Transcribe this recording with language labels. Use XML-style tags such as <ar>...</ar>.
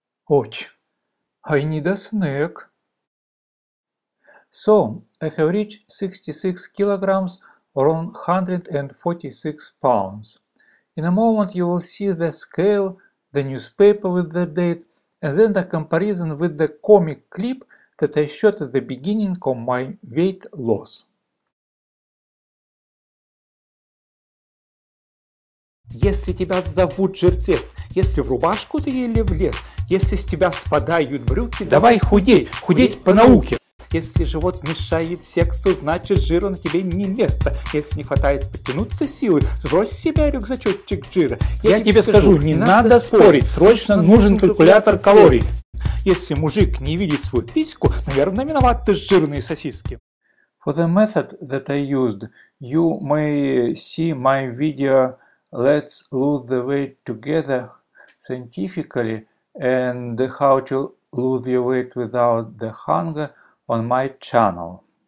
<en>Ouch! I need a snack. So, I have reached 66 kilograms or 146 pounds. In a moment you will see the scale, the newspaper with the date, and then the comparison with the comic clip that I shot at the beginning of my weight loss.</en> <ru>Если тебя зовут жиртвест, если в рубашку ты или в лес, если с тебя спадают брюки, давай худеть, худеть по науке. Если живот мешает сексу, значит жир он тебе не место. Если не хватает подтянуться силы, сбрось с себя рюкзачочек жира. Я тебе скажу, не надо спорить, срочно нужен калькулятор калорий. Если мужик не видит свою письку, наверное, виноваты жирные сосиски.</ru> <en>For the method that I used, you may see my video Let's Lose the Weight Together Scientifically and How to Lose Your Weight Without the Hunger on my channel.</en>